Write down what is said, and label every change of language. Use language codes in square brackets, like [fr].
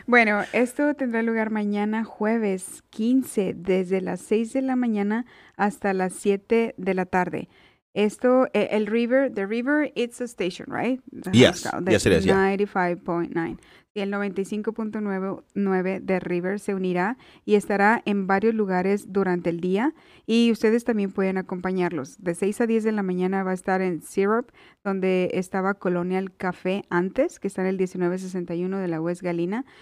[es] Bueno, esto tendrá lugar mañana jueves 15 desde las 6 de la mañana hasta las 7 de la tarde. Esto, el [en] river, the river, it's a station, right? Yes, it is. 95.9. [es] Y el 95.9 de River se unirá y estará en varios lugares durante el día. Y ustedes también pueden acompañarlos. De 6 a 10 de la mañana va a estar en Syrup, donde estaba Colonial Café antes, que está en el 1961 de la West Galena.